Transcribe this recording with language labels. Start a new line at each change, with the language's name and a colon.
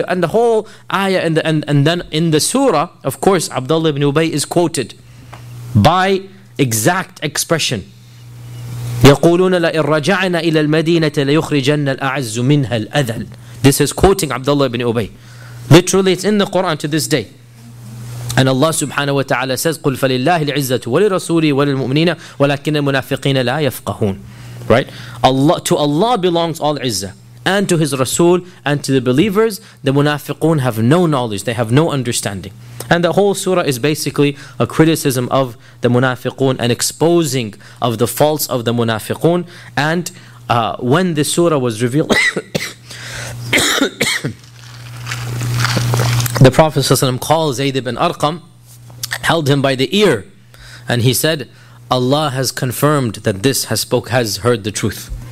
English: And the whole ayah, and then in the surah, of course, Abdullah ibn Ubay is quoted by exact expression.
Arabic: يَقُولُونَ لَإِن رَجَعْنَا إِلَى الْمَدِينَةِ لَيُخْرِجَنَّ الْأَعَزُّ مِنْهَا الْأَذَلِ.
English: This is quoting Abdullah ibn Ubay. Literally, it's in the Quran to this day. And Allah subhanahu wa ta'ala says,
Arabic: قُلْ فَلِلَّهِ الْعِزَّةُ وَلِرَسُولِهِ وَلِلْمُؤْمِنِينَ وَلَكِنَّ الْمُنَافِقِينَ لَا يَفْقَهُونَ.
English: right? Allah, to Allah belongs all izzah, and to His Rasul, and to the believers. The munafiqun have no knowledge, they have no understanding. And the whole surah is basically a criticism of the munafiqun, and exposing of the faults of the munafiqun. And when the surah was revealed, the Prophet ﷺ called Zayd ibn Arqam, held him by the ear, and he said, Allah has confirmed that this has heard the truth.